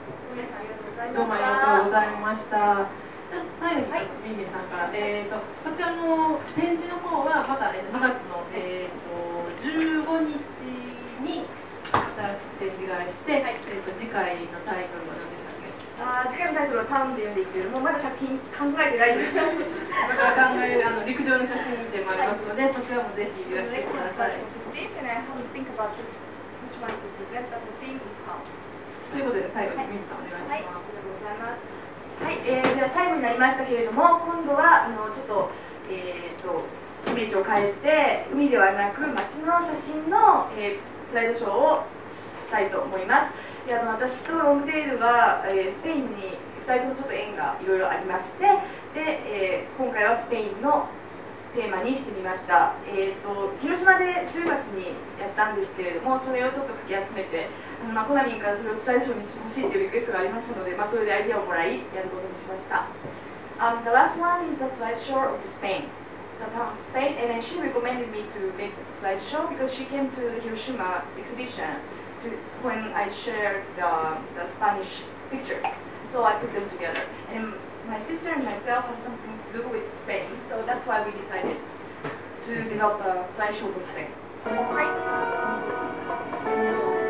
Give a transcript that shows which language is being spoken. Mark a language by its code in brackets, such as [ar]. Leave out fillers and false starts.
[ja] どうもありがとうございました。じゃあ最後にミンミンさんから、はい、こちらの展示の方はまた7月の、15日に新しく展示会して、はい、次回のタイトルは何でしたっけ。あ、次回のタイトルはタウンで言うんですけども、まだ作品考えてないですまた考える、あの陸上の写真でもありますので、そちらもぜひいらしてください。 [en] This and I have to think about which one to present that the theme is called。 [ja] ということで最後にミミさんお願いします。はい、ありがとうございます。はい、では最後になりましたけれども、今度はあのちょっと、イメージを変えて海ではなく街の写真の、スライドショーをしたいと思います。あの私とロングテールは、スペインに2人ともちょっと縁がいろいろありまして、で、今回はスペインのテーマにしてみました。広島で10月にやったんですけれども、それをちょっとかき集めて、あの、まあ、コナミンからそれを最初にしてほしいというリクエストがありましたので、まあ、それでアイデアをもらいやることにしました。 [en] The last one is the slideshow of Spain, the town of Spain, and she recommended me to make the slideshow because she came to the Hiroshima exhibition to, when I shared the Spanish pictures, so I put them together, and my sister and myself have something to do with Spain, so that's why we decided to develop a slideshow for Spain.